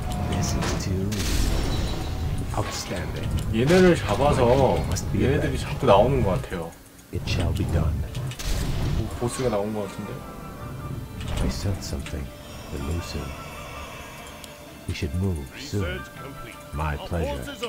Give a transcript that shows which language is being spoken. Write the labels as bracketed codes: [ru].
[en] This is too outstanding. [ko] 얘네를 잡아서 얘네들이 자꾸 나오는 것 같아요. [en] It shall be done. [ko] 뭐, 보스가 나온 것 같은데. [en] I sense something elusive. We should move soon. My pleasure.